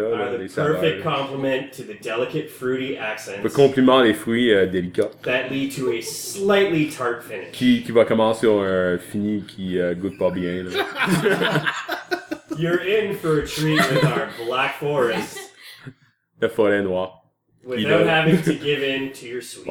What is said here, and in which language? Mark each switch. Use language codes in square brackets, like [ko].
[en] are the perfect complement to the delicate fruity accents. [fr] Le complément des fruits délicats. [en] That lead to a slightly tart finish. [fr] Qui va commencer sur un fini qui goûte pas bien. [en] You're in for a treat with our Black Forest. [fr] La forêt noire. [en] Without having to give in to your sweet tooth.